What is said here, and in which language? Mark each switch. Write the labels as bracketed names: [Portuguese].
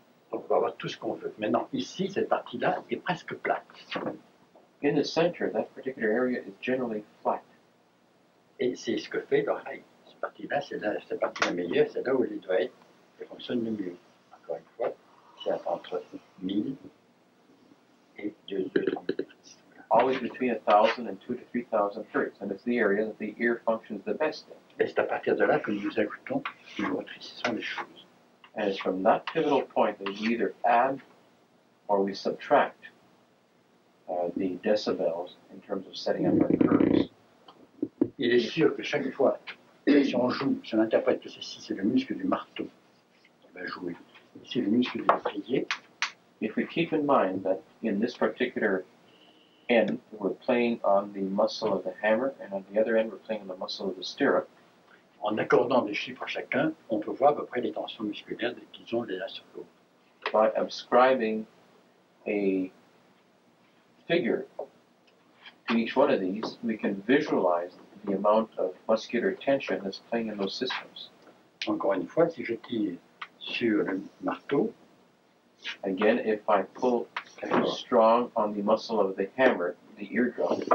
[French] Donc on va avoir tout ce qu'on veut. Maintenant, ici, cette partie-là est presque plate. [English] In the center, that particular area is generally flat. [French] Et c'est ce que fait l'oreille. Cette partie-là, c'est là, cette partie la meilleure, c'est là où elle doit être. Elle fonctionne le mieux. Encore une fois, c'est entre 1000 et 2000. [English] Always between 1000 and 2000 to 3000 hertz. And it's the area that the ear functions the best in. [French] Et c'est à partir de là que nous ajoutons et nous rétrécissons les choses. [English] And it's from that pivotal point that we either add or we subtract the decibels in terms of setting up our curves. [French] Il est sûr que chaque fois, si on joue, si on interprète que ceci, c'est le muscle du marteau qui va jouer. Ici, le muscle du métrier. [English] If we keep in mind that in this particular end, we're playing on the muscle of the hammer, and on the other end, we're playing on the muscle of the stirrup, [French] en accordant des chiffres à chacun, on peut voir à peu près les tensions musculaires qu'ils ont les uns sur l'autre. [English] By ascribing a figure to each one of these, we can visualize the amount of muscular tension that's playing in those systems. [French] Encore une fois, si je tire sur le marteau, [English] again, if I pull strong on the muscle of the hammer, the eardrum,